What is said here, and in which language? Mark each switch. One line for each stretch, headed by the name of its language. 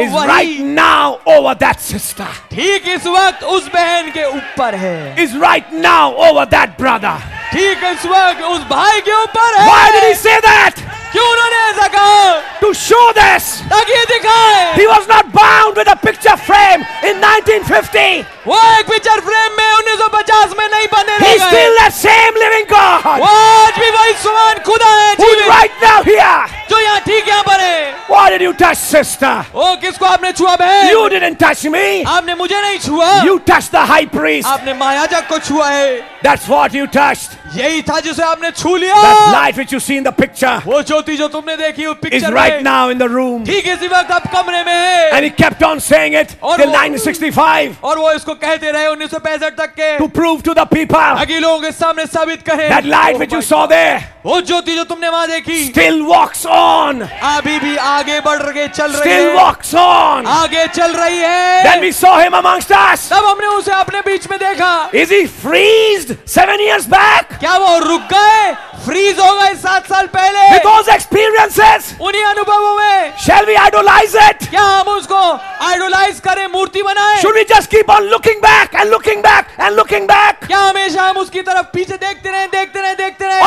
English: is right now over that sister,
Hindi: ठीक इस वक्त उस बहन के ऊपर है,
English: is right now over that brother,
Hindi: ठीक इस वक्त उस भाई के ऊपर है.
English: Why did he say that?
Hindi: क्यों उन्होंने ऐसा कहा?
English: To show this.
Hindi: ताकि ये दिखाए.
English: He was not bound with a picture frame in 1950.
Hindi: वो एक पिक्चर फ्रेम में 1950 में नहीं बने रह गए.
English: He is still the same living God.
Hindi: वो आज भी वही समान खुदा है.
English: Who's right now here?
Hindi: जो यहाँ ठीक यहाँ पर है.
English: Why did you touch sister?
Hindi: ओ किसको आपने छुआ बहन?
English: You didn't touch me.
Hindi: आपने मुझे नहीं छुआ.
English: You touched the high priest.
Hindi: आपने महायाजक को छुआ है.
English: That's what you touched.
Hindi: यही था जिसे आपने छू लिया.
English: That light which you see in the picture.
Hindi: वो ज्योति जो तुमने देखी उस पिक्चर में.
English: Is right now in the room.
Hindi: ठीक इसी वक्त आप कमरे में है.
English: And he kept on saying it till 1965.
Hindi: और वो इसको कहते रहे 1965 तक के.
English: To prove to the people.
Hindi: अगले लोगों के सामने साबित करें.
English: That light which you saw there.
Hindi: वो ज्योति जो तुमने वहां देखी.
English: Still walks on.
Hindi: अभी भी आगे बढ़ रहे चल रहे.
English: Still walks on.
Hindi: आगे चल रही है.
English: Then we saw him amongst us.
Hindi: तब हमने उसे अपने बीच में देखा.
English: Is he freezed? 7 years back?
Hindi: क्या वो रुक गए? फ्रीज हो गए 7 साल पहले?
English: With those experiences?
Hindi: उन्हीं अनुभवों में?
English: Shall we idolize it?
Hindi: क्या हम उसको idolize करें मूर्ति बनाएं?
English: Should we just keep on looking back and looking back and looking back?
Hindi: क्या हमेशा हम उसकी तरफ पीछे देखते रहें देखते रहें देखते रहें?